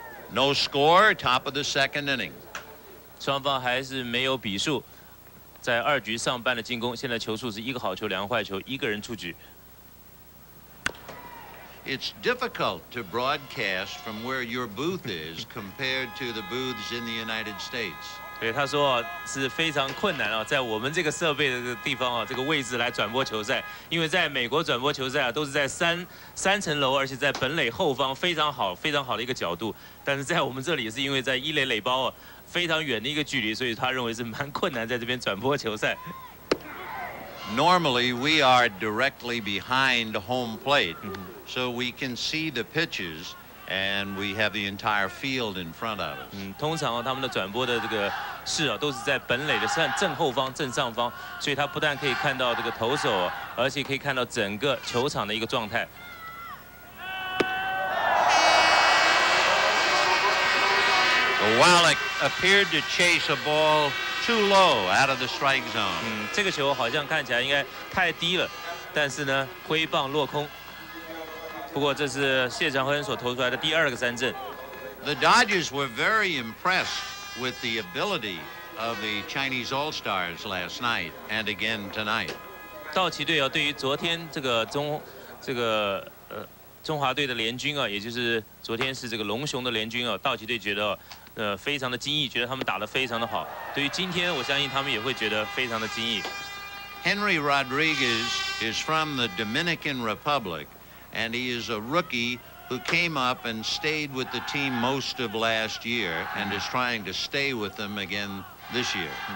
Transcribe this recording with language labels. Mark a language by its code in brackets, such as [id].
[en] No score, top of the second inning. [zh] 双方还是没有比数，在二局上半的进攻，现在球数是一个好球，两个坏球，一个人出局。 [en] It's difficult to broadcast from where your booth is compared to the booths in the United States. [zh] 对，他说是非常困难啊，在我们这个设备的地方啊，这个位置来转播球赛，因为在美国转播球赛啊，都是在三层楼，而且在本垒后方非常好非常好的一个角度，但是在我们这里是因为在一垒垒包啊非常远的一个距离，所以他认为是蛮困难在这边转播球赛。 [en] Normally we are directly behind home plate, so we can see the pitches. And we have the entire field in front of us. [zh] 通常他们的转播的这个室啊，都是在本垒的正后方、正上方，所以他不但可以看到这个投手，而且可以看到整个球场的一个状态。 [en] Wallach appeared to chase a ball too low out of the strike zone. [zh] 这个球好像看起来应该太低了，但是呢，挥棒落空。不过这是谢长亨所投出来的第二个三振。 [en] The Dodgers were very impressed with the ability of the Chinese All-Stars last night and again tonight. [zh] 道奇队啊，对于昨天中华队的联军啊，也就是昨天是这个龙熊的联军啊，道奇队觉得非常的惊异，觉得他们打得非常的好。对于今天，我相信他们也会觉得非常的惊异。 [en] Henry Rodriguez is from the Dominican Republic. And he is a rookie who came up and stayed with the team most of last year and is trying to stay with them again this year.